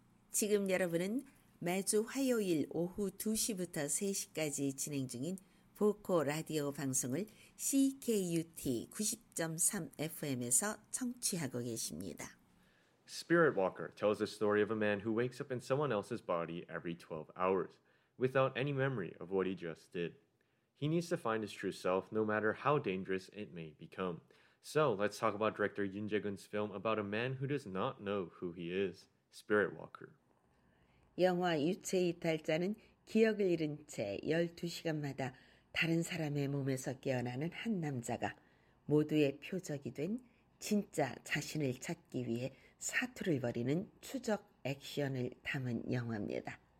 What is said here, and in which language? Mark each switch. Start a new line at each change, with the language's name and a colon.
Korean: 지금 여러분은 매주 화요일 오후 2시부터 3시까지 진행 중인 보코 라디오 방송을 CKUT 90.3 FM에서 청취하고 계십니다.
English: Spirit Walker tells the story of a man who wakes up in someone else's body every 12 hours without any memory of what he just did. He needs to find his true self, no matter how dangerous it may become. So, let's talk about director Yoon Jae-gun's film about a man who does not know who he is, Spirit Walker.
Korean: 영화 유체이탈자는 기억을 잃은 채 12시간마다 다른 사람의 몸에서 깨어나는 한 남자가 모두의 표적이 된 진짜 자신을 찾기 위해 사투를 벌이는 추적 액션을 담은 영화입니다.